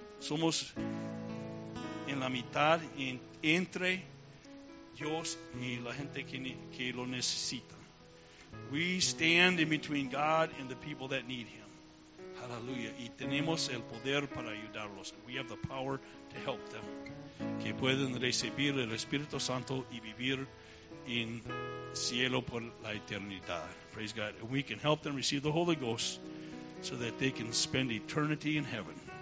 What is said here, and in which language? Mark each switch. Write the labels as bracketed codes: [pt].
[es] Somos en la mitad entre Dios y la gente que lo necesita. [en] We stand in between God and the people that need him. Hallelujah. [es] Y tenemos el poder para ayudarlos. [en] We have the power to help them. [es] Que pueden recibir el Espíritu Santo y vivir en cielo por la eternidad. [en] Praise God. And we can help them receive the Holy Ghost so that they can spend eternity in heaven.